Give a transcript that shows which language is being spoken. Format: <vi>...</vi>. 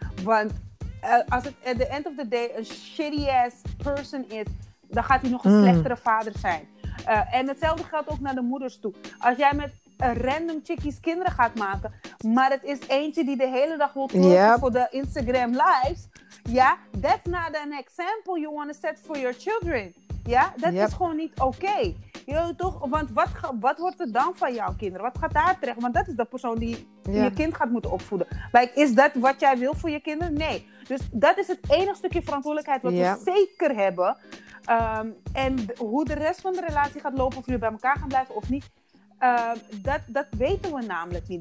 <nl>Want als het</nl> <en>at the end of the day</en> <nl>een shitty ass person is, dan gaat hij nog een slechtere vader zijn. En hetzelfde geldt ook naar de moeders toe. Als jij met een random chickies kinderen gaat maken, maar het is eentje die de hele dag wil twerken voor de Instagram lives.</nl> <en>Ja, that's not an example you want to set for your children.</en> <nl>Ja, dat is gewoon niet oké. Okay. Toch? Want wat wordt er dan van jouw kinderen? Wat gaat daar terecht? Want dat is de persoon die je kind gaat moeten opvoeden. Like, is dat wat jij wil voor je kinderen? Nee. Dus dat is het enige stukje verantwoordelijkheid wat we zeker hebben. En hoe de rest van de relatie gaat lopen, of jullie bij elkaar gaan blijven of niet, dat weten we namelijk niet.</nl>